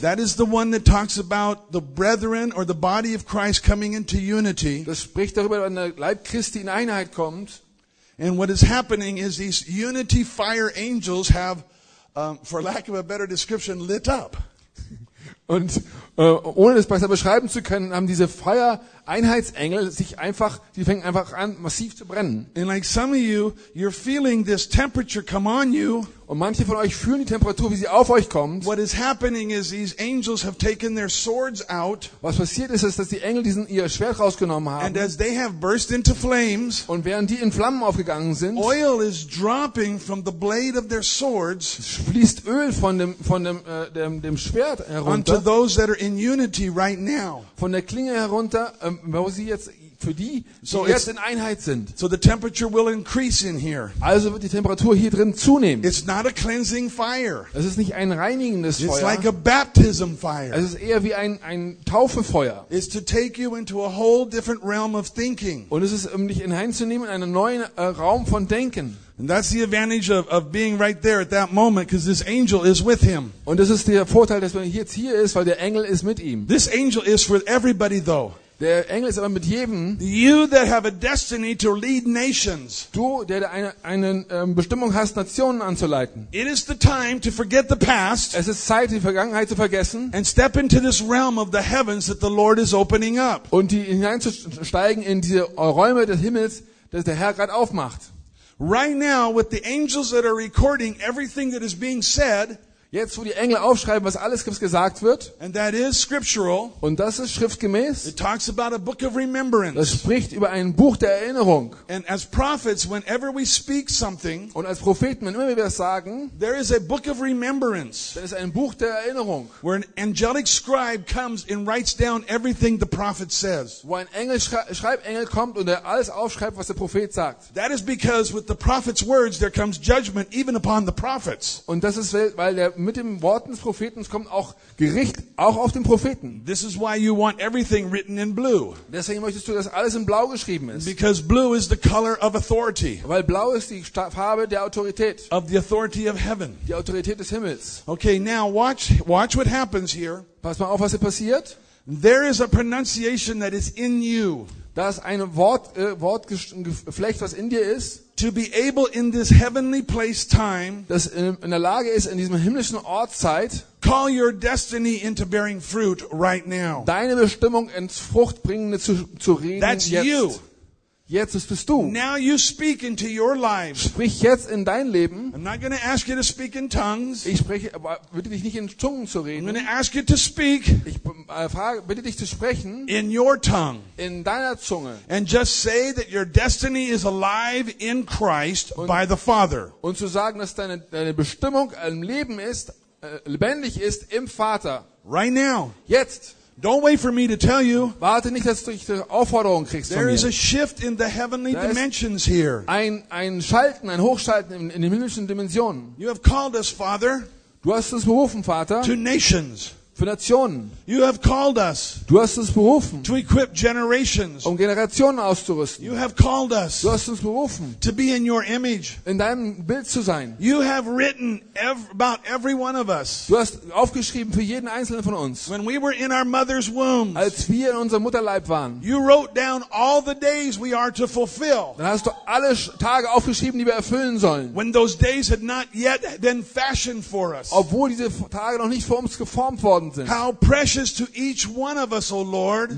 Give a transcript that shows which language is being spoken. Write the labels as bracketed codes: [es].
[en] that is the one that talks about the brethren or the body of Christ coming into unity. [de] Das spricht darüber, wenn der Leib Christi in Einheit kommt. [en] And what is happening is these unity fire angels have, for lack of a better description, lit up. [de] Und ohne das besser beschreiben zu können, haben diese Feuereinheitsengel sich einfach, die fangen einfach an, massiv zu brennen. [en] And like some of you, you're feeling this temperature come on you. [de] Und manche von euch fühlen die Temperatur, wie sie auf euch kommt. [en] What is happening is these angels have taken their swords out. [de] Was passiert ist, dass die Engel diesen ihr Schwert rausgenommen haben. [en] And as they have burst into flames, [de] und während die in Flammen aufgegangen sind, [en] oil is dropping from the blade of their swords. [de] Fließt Öl von dem Schwert herunter. [en] Onto those that are in unity right now. [de] Von der Klinge herunter, wo sie jetzt für die, die so jetzt in Einheit sind. [en] So the temperature will increase in here. [de] Also wird die Temperatur hier drin zunehmen. [en] It's not a cleansing fire. [de] Es ist nicht ein reinigendes [en] It's It's like a baptism fire. [de] Es ist eher wie ein Taufefeuer. [en] It's to take you into a whole different realm of thinking. [de] Und es ist, um dich hineinzunehmen in einen neuen Raum von Denken. [en] And that's the advantage of being right there at that moment, because this angel is with him. [de] Und das ist der Vorteil, dass man jetzt hier ist, weil der Engel ist mit ihm. [en] This angel is with everybody though. [de] Der Engel ist aber mit jedem. [en] You that have a destiny to lead nations. [de] Du, der eine Bestimmung hast, Nationen anzuleiten. [en] It is the time to forget the past. [de] Es ist Zeit, die Vergangenheit zu vergessen. [en] And step into this realm of the heavens that the Lord is opening up. [de] Und die hineinzusteigen in diese Räume des Himmels, das der Herr gerade aufmacht. [en] Right now, with the angels that are recording everything that is being said. [de] Jetzt, wo die Engel aufschreiben, was alles gesagt wird, [en] and that is scriptural, [de] und das ist schriftgemäß, [en] it talks about a book of remembrance. [de] Das spricht über ein Buch der Erinnerung. [en] And as prophets, whenever we speak something, [de] und als Propheten, wenn immer wir das sagen, [en] there is a book of remembrance, [de] dann ist ein Buch der Erinnerung, [en] where an angelic scribe comes and writes down everything the prophet says. [de] Wo ein Schreibengel kommt und er alles aufschreibt, was der Prophet sagt. [en] That is because with the prophet's words there comes judgment even upon the prophets. [de] Und das ist, weil der mit dem Worten des Propheten kommt auch Gericht auch auf den Propheten. [en] This is why you want everything written in blue. [de] Deswegen möchtest du, dass alles in blau geschrieben ist. [en] Because blue is the color of authority. [de] Weil blau ist die Farbe der Autorität. [en] Of the authority of heaven. [de] Die Autorität des Himmels. [en] Okay, now watch what happens here. [de] Pass mal auf, was hier passiert. [en] There is a pronunciation that is in you. [de] Da ist ein Wortgeflecht, was in dir ist. [en] To be able in this heavenly place time, [de] das in der Lage ist, in diesem himmlischen Ortszeit, [en] call your destiny into bearing fruit right now. [de] Deine Bestimmung ins Fruchtbringende zu reden. [en] That's [de] jetzt. [en] You. [de] Jetzt bist du. [en] Now you speak into your lives. [de] Sprich jetzt in dein Leben. [en] I'm not going to ask you to speak in tongues. [de] Ich spreche, aber bitte dich nicht in Zungen zu reden. [en] I'm going to ask you to speak. [de] Ich bitte dich zu sprechen. [en] In your tongue. [de] In deiner Zunge. [en] And just say that your destiny is alive in Christ by the Father. [de] Und zu sagen, dass deine Bestimmung im Leben ist, lebendig ist im Vater. [en] Right now. [de] Jetzt. [en] Don't wait for me to tell you. [de] Warte nicht, dass du die Aufforderung kriegst von mir. [en] There is a shift in the heavenly dimensions here. [de] Ein Schalten, ein Hochschalten in den himmlischen Dimensionen. [en] You have called us, Father. [de] Du hast uns berufen, Vater. [en] To nations. [de] Für Nationen. [en] You have called us. [de] Du hast uns berufen. [en] To equip generations. [de] Um Generationen auszurüsten. [en] You have called us. [de] Du hast uns berufen. [en] To be in your image. [de] In deinem Bild zu sein. [en] You have written about every one of us. [de] Du hast aufgeschrieben für jeden einzelnen von uns. [en] When we were in our mother's womb. [de] Als wir in unserem Mutterleib waren. [en] You wrote down all the days we are to fulfill. [de] Dann hast du alle Tage aufgeschrieben, die wir erfüllen sollen. [en] When those days had not yet been fashioned for us. [de] Obwohl diese Tage noch nicht für uns geformt worden. [en] How precious to each one of us, O Lord!